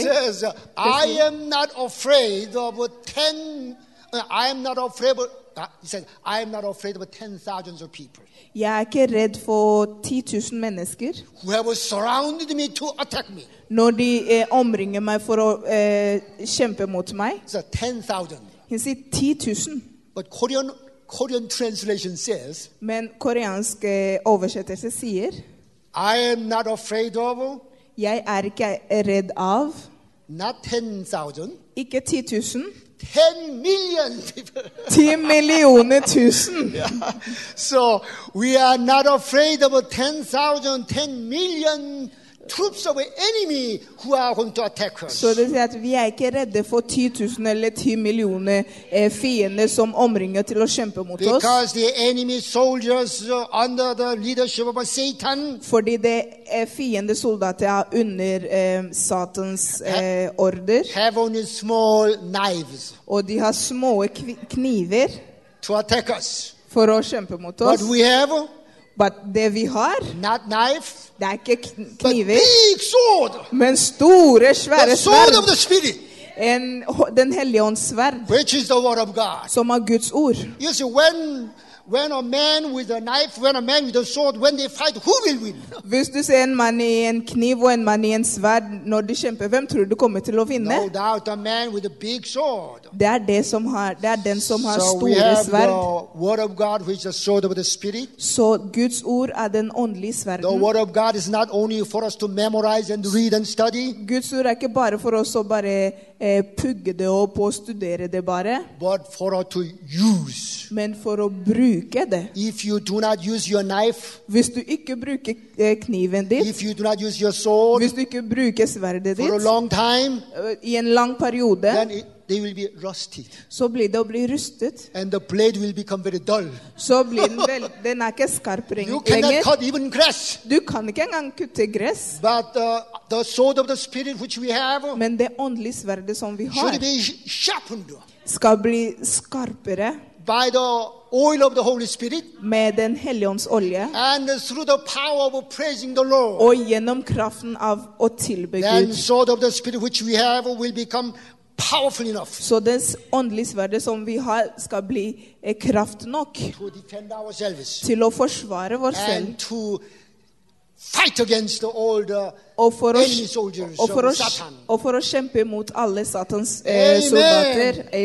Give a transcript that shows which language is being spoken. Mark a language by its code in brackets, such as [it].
[en] It says, I am not afraid of ten. I am not afraid. He says, I am not afraid of 10,000 of people. [sv] Jag är inte rädd för 10,000 människor. [en] Who have surrounded me to attack me. [sv] När de omringar mig för att kämpa mot mig. [en] It's 10,000. He said 10,000. But Korean translation says. [sv] Men koreansk översättelse säger. [en] I am not afraid of. [sv] Jag är inte rädd av. [en] Not 10,000. [sv] Inte 10,000. [en] 10,000,000 people. [sv] 10,000,000. [en] So we are not afraid of 10,000, 10 million. troops of enemy who are going to attack us. [sv] Så det säger att vi är inte rädda för 10,000 eller 10 miljoner fiender som omringar till att kämpa mot oss. [en] Because the enemy soldiers under the leadership of Satan. [sv] För det är fiende soldater under Satans order. [en] Have only small knives. [sv] Och de har små knivar. [en] To attack us. [sv] För att kämpa mot oss. [en] What we have? But [sv] det vi har, [en] not knife, [sv] det är knivet, [en] but big sword, [sv] men stora svärd, [en] the sword of the spirit, [sv] en den helige ånds svärd, [en] which is the word of God, [sv] som är Guds ord. [en] You see, when a man with a knife, when a man with a sword, when they fight, who will win? [sv] Visst du ser en man I en kniv och en man I en svärd när de kämpar, vem tror du kommer till att vinna? [en] No doubt, a man with a big sword. [sv] Det är det som har, det är den som har stora svärd. [en] So we have the word of God, which is the sword of the spirit. [sv] Så Guds ord är den andliga svärden. [en] The word of God is not only for us to memorize and read and study. [sv] Guds ord är inte bara för oss att bara pugga det och på studera det bara. [en] But for us to use. [sv] Men för att bruka. [en] If you do not use your knife, [no] hvis du ikke bruker kniven ditt, [en] if you do not use your sword, [no] hvis du ikke bruker sverdet ditt, [en] for a long time, [no] I en lang periode, [en] then they will be rusted. [no] Så blir det å bli rustet, [en] and the blade will become very dull. [no] Så blir den vel, den ikke skarp lenger. [en] You cannot cut even grass. [no] Du kan ikke engang kutte gress. [en] But the sword of the spirit which we have, [no] men det åndelige sverdet som vi har, [en] should be sharpened. [no] Skal bli skarpere. [en] By the oil of the Holy Spirit, [sv] med den helions olja, [en] and through the power of praising the Lord, [sv] och genom kraften av att tillbe Gud, [en] then sword of the Spirit which we have will become powerful enough. [sv] Så den andliga svärd som vi har ska bli kraft nog [en] to defend ourselves, [sv] till att försvara vår själ, [en] and to fight against all the enemy soldiers of Satan, [sv] och för att kämpa mot alla Satans soldater.